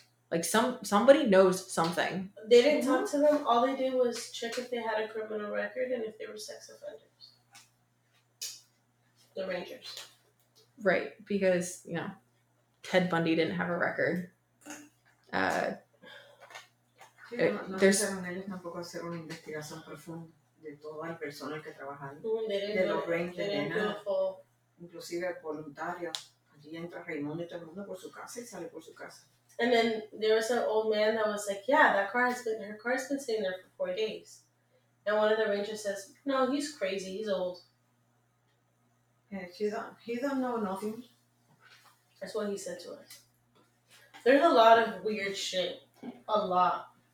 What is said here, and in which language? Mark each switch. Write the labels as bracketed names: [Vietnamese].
[English] Like, somebody knows something. They didn't talk to them. All they did was check if they had a criminal record and if they were sex offenders. The Rangers. Right, because, you know, Ted Bundy didn't have a record. there's no one else [Spanish] tampoco hacer una investigación profunda de todo el personal que trabaja ahí, de los rangers, inclusive voluntarios. Allí entra Raymond y todo el mundo por su casa y sale por su casa. [English] And then there was an old man that was like, yeah, that car has been, her car has been sitting there for 4 days. And one of the rangers says, no, he's crazy, he's old. Yeah, he don't know nothing. That's what he said to us. There's a lot of weird shit. A lot.